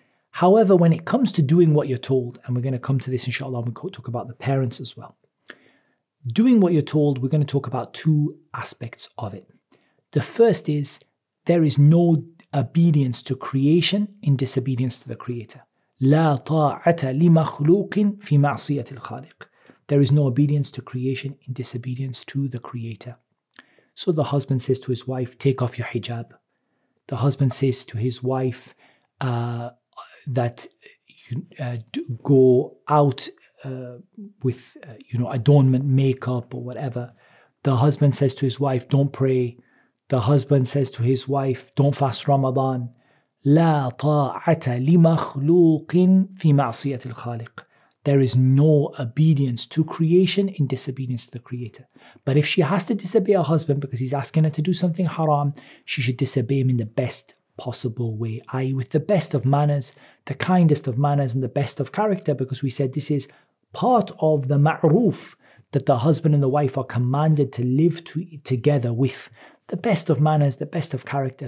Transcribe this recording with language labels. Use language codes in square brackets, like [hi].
[en] However, when it comes to doing what you're told, and we're going to come to this inshallah, we'll talk about the parents as well. Doing what you're told, we're going to talk about two aspects of it. The first is, there is no obedience to creation in disobedience to the Creator. [ar] لا طاعة لمخلوق في معصية الخالق. [en] There is no obedience to creation in disobedience to the Creator. So the husband says to his wife, take off your hijab. The husband says to his wife that you go out with adornment, makeup or whatever. The husband says to his wife, don't pray. The husband says to his wife, don't fast Ramadan. [ar] لا طاعة لمخلوق في معصية الخالق. [en] There is no obedience to creation in disobedience to the Creator. But if she has to disobey her husband because he's asking her to do something haram, she should disobey him in the best possible way, i.e. with the best of manners, the kindest of manners, and the best of character, because we said this is part of the ma'roof that the husband and the wife are commanded to live together with, the best of manners, the best of character.